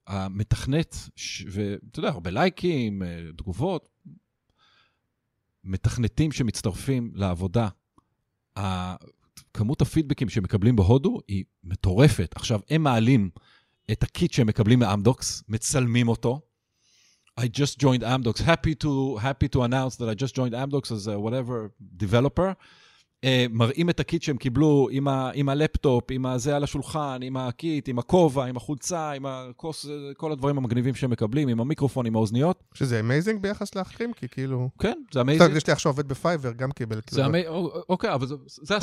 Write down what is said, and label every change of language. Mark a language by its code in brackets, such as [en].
[he] המתכנת, ואתה יודע, הרבה לייקים, תגובות, מתכנתים שמצטרפים לעבודה, כמות הפידבקים שמקבלים בהודו היא מטורפת. עכשיו, הם מעלים את הקיט שהם מקבלים מאמדוקס, מצלמים אותו. [en] I just joined Amdocs. Happy to announce that I just joined Amdocs as a whatever developer. [he] מראים את הקיט שהם קיבלו עם הלפטופ, עם הזה על השולחן, עם הקיט, עם הכובע, עם החולצה, עם הקוס, כל הדברים המגניבים שהם מקבלים, עם המיקרופון, עם האוזניות. שזה אמייזינג ביחס לאחרים, כי כאילו... כן, זה אמייזינג. יש לי עכשיו עובד בפייבר, גם קיבל. אוקיי, אבל זה הסטנדרט.